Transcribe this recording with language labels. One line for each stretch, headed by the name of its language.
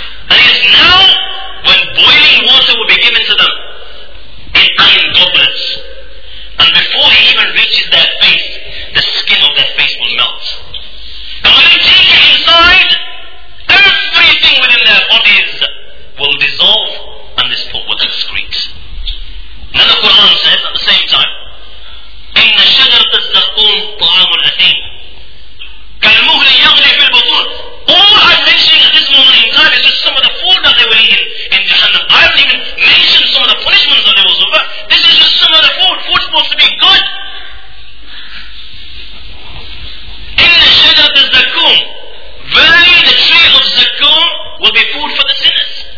English: And it is now when boiling water will be given to them in iron goblets. And before it even reaches their face, the skin of their face will melt. And when they take it inside, everything within their bodies will dissolve and this pot will excrete. Now the Quran says at the same time,
Arabic: إِنَّ شَجَرَةَ الزَّقُّونَ طَعَامُ الْأَثِيمِ كَالْمُهْلِ يَغْلِي فِي الْبُطُونِ.
English: All I'm mentioning at this moment in time is just some of the food that they were eating in Jahannam. I haven't even mentioned some of the punishments that they were suffering. This is just some of the food. Food's supposed to be good. Of the zakum, verily the tree of zakum will be food for the sinners.